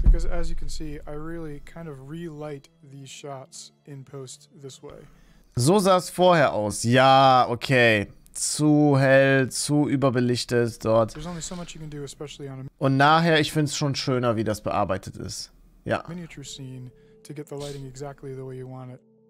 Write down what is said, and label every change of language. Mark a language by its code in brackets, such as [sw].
[en] Because as you can see, I really kind of relight these shots in post this way. [de] So sah es vorher aus. Ja, okay. Zu hell, zu überbelichtet dort. [en] There's only so much you can do, especially on a. [de] Und nachher, ich find's schon schöner, wie das bearbeitet ist. Ja. [en] Miniature scene to get the lighting exactly the way you want it.